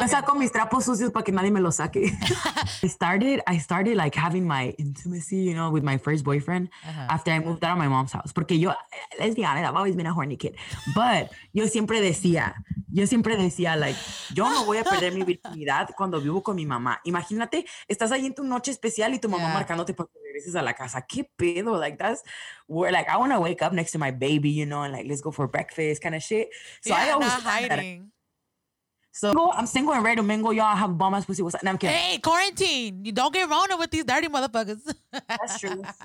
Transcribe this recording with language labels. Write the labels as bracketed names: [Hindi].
[Spanish] Me saco mis trapos sucios para que nadie me los saque. [English] I started like having my intimacy, you know, with my first boyfriend after I moved out of my mom's house. [Spanish] Porque yo, [English] let's be honest, I've always been a horny kid. [Spanish] But yo siempre decía like, yo no voy a perder mi virginidad cuando vivo con mi mamá. Imagínate, estás ahí en tu noche especial y tu mamá marcándote para que regreses a la casa. ¿Qué pedo? [English] Like, that's where, like, I want to wake up next to my baby, you know, and like, let's go for breakfast kind of shit. So yeah, I always not hiding. So I'm single and ready to mingle. Y'all have bomb ass pussy. What's up? No, I'm kidding. Hey, quarantine. You don't get wrong with these dirty motherfuckers. That's true.